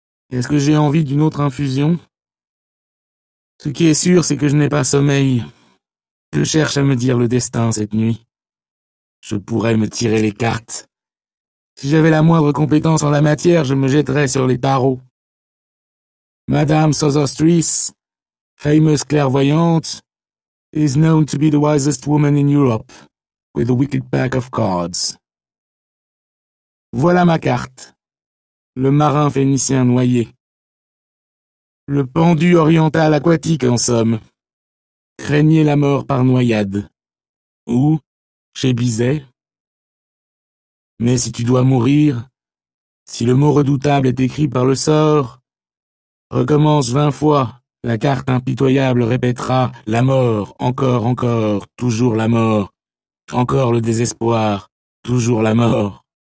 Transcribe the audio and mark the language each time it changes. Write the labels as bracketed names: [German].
[French] Est-ce que j'ai envie d'une autre infusion ? Ce qui est sûr, c'est que je n'ai pas sommeil. Que cherche à me dire le destin cette nuit ? Je pourrais me tirer les cartes. Si j'avais la moindre compétence en la matière, je me jetterais sur les tarots. [English] Madame Sozostris, [French] fameuse clairvoyante, [English] is known to be the wisest woman in Europe, with a wicked pack of cards. [French] Voilà ma carte. Le marin phénicien noyé. Le pendu oriental aquatique, en somme. Craignez la mort par noyade. Ou, chez Bizet. Mais si tu dois mourir, si le mot redoutable est écrit par le sort, recommence 20 fois, la carte impitoyable répétera la mort, encore, encore, toujours la mort, encore le désespoir, toujours la mort.